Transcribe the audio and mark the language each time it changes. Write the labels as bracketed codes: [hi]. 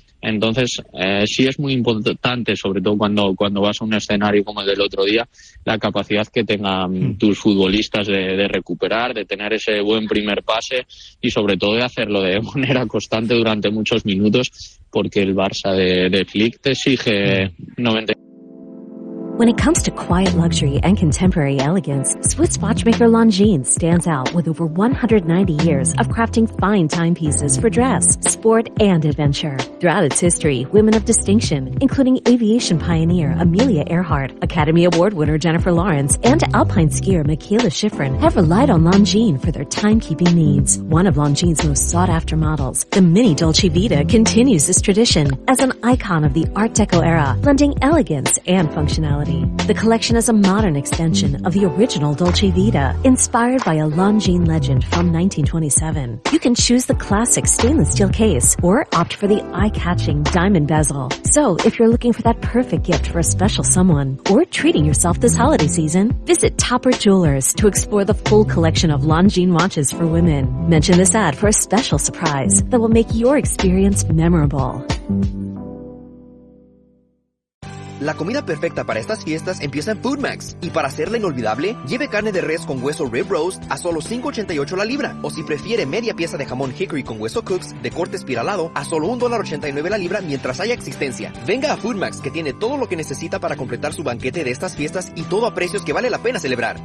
[es] Entonces, sí es muy importante, sobre todo cuando vas a un escenario como el del otro día, la capacidad que tengan tus futbolistas de recuperar, de tener ese buen primer pase y sobre todo de hacerlo de manera constante durante muchos minutos, porque el Barça de Flick te exige 90. [en] When it comes to quiet luxury and contemporary elegance, Swiss watchmaker Longines stands out with over 190 years of crafting fine timepieces for dress, sport, and adventure. Throughout its history, women of distinction, including aviation pioneer Amelia Earhart, Academy Award winner Jennifer Lawrence, and alpine skier Michaela Schifrin, have relied on Longines for their timekeeping needs. One of Longines' most sought-after models, the Mini Dolce Vita, continues this tradition as an icon of the Art Deco era, blending elegance and functionality. The collection is a modern extension of the original Dolce Vita, inspired by a Longines legend from 1927. You can choose the classic stainless steel case or opt for the eye-catching diamond bezel. So, if you're looking for that perfect gift for a special someone or treating yourself this holiday season, visit Topper Jewelers to explore the full collection of Longines watches for women. Mention this ad for a special surprise that will make your experience memorable. [es] La comida perfecta para estas fiestas empieza en Food Max. Y para hacerla inolvidable, lleve carne de res con hueso Rib Roast a solo $5.88 la libra. O si prefiere, media pieza de jamón Hickory con hueso Cooks de corte espiralado a solo $1.89 la libra mientras haya existencia. Venga a Food Max, que tiene todo lo que necesita para completar su banquete de estas fiestas y todo a precios que vale la pena celebrar.